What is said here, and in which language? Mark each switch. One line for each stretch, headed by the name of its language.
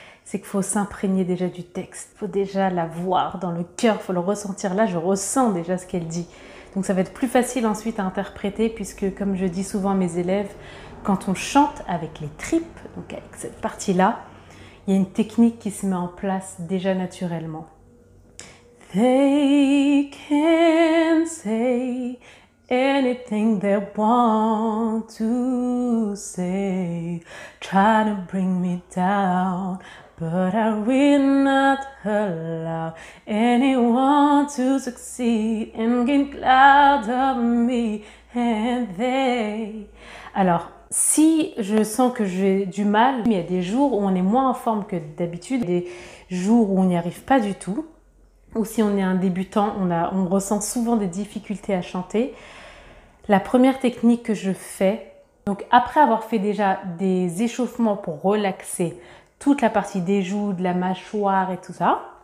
French: C'est qu'il faut s'imprégner déjà du texte. Il faut déjà la voir dans le cœur, il faut le ressentir. Là, je ressens déjà ce qu'elle dit. Donc, ça va être plus facile ensuite à interpréter puisque, comme je dis souvent à mes élèves, quand on chante avec les tripes, donc avec cette partie-là, il y a une technique qui se met en place déjà naturellement.
English: They can say anything they want to say. Try to bring me down. But I will not allow anyone to succeed and gain cloud of me and they.
French: Alors, si je sens que j'ai du mal, il y a des jours où on est moins en forme que d'habitude, des jours où on n'y arrive pas du tout, ou si on est un débutant, on ressent souvent des difficultés à chanter, la première technique que je fais, donc après avoir fait déjà des échauffements pour relaxer toute la partie des joues, de la mâchoire et tout ça.